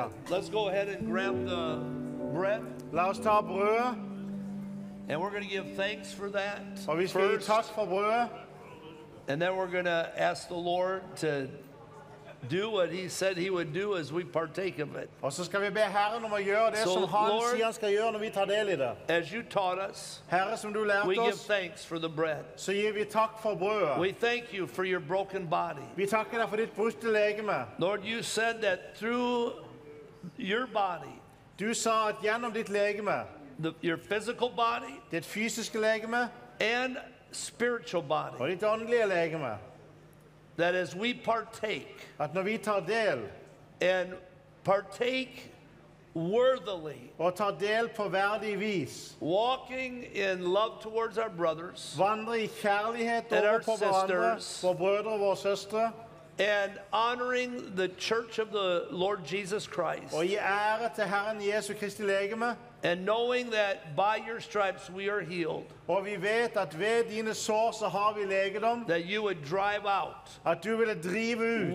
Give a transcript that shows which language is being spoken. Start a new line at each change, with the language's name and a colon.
English: Let's go ahead and grab the bread.
Norwegian: La oss ta brød.
English: And we're going to give thanks for that.
Norwegian: Og vi skal gi takk for brødet.
English: And then we're going to ask the Lord to do what he said he would do as we partake of it.
Norwegian: Og så skal vi be Herren om å gjøre det som han sier han skal gjøre når vi tar del I det.
English: As you taught us,
Norwegian: Herre, som du lærte oss,
English: we give thanks for the bread.
Norwegian: Så gir vi takk for brødet.
English: We thank you for your broken body.
Norwegian: Vi takker deg for ditt brutte legeme.
English: Lord, you said that through your body,
Norwegian: du sa at gjennom ditt legeme,
English: your physical body,
Norwegian: ditt fysiske legeme,
English: and spiritual body,
Norwegian: og ditt åndelige legeme,
English: that as we partake,
Norwegian: at når vi tar del,
English: and partake worthily,
Norwegian: og tar del på verdig vis,
English: walking in love towards our brothers,
Norwegian: vandre I kjærlighet overfor hverandre, våre brødre og våre søstre,
English: and honoring the church of the Lord Jesus Christ.
Norwegian: Og I ære til Herren Jesu Kristi legeme.
English: And knowing that by your stripes we are healed.
Norwegian: Og vi vet at ved dine sår så har vi legedom.
English: That you would drive out.
Norwegian: At du ville drive ut.